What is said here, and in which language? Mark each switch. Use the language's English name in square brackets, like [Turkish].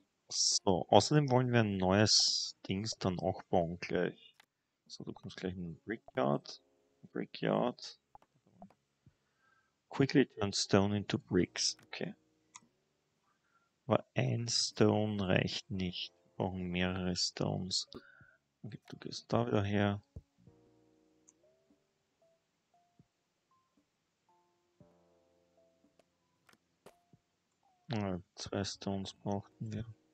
[German] So, außerdem wollen wir ein neues Dings dann auch bauen gleich. So, du kommst gleich in den Brickyard. Brickyard. [English] Quickly turn stone into bricks. Okay. [German] Aber ein Stone reicht nicht. Wir brauchen mehrere Stones. Okay, du gehst da wieder her. Also, zwei Stones brauchten wir.